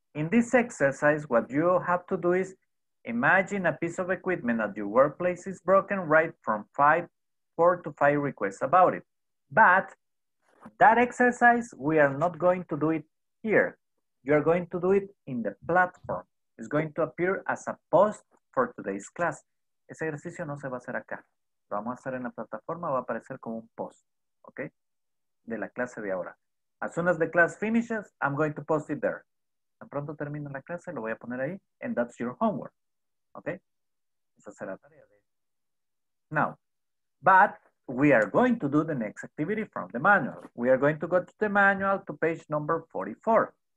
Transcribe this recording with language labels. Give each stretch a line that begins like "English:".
English: In this exercise, what you have to do is imagine a piece of equipment at your workplace is broken, write from 4 to 5 requests about it. But that exercise, we are not going to do it here. You are going to do it in the platform. It's going to appear as a post for today's class.
Spanish: Ese ejercicio no se va a hacer acá. Lo vamos a hacer en la plataforma, va a aparecer como un post, okay? De la clase de ahora.
English: As soon as the class finishes, I'm going to post it there.
Spanish: Tan pronto termina la clase, lo voy a poner ahí,
English: and that's your homework, okay?
Spanish: Esa será la tarea de...
English: Now, but we are going to do the next activity from the manual. We are going to go to the manual to page number 44.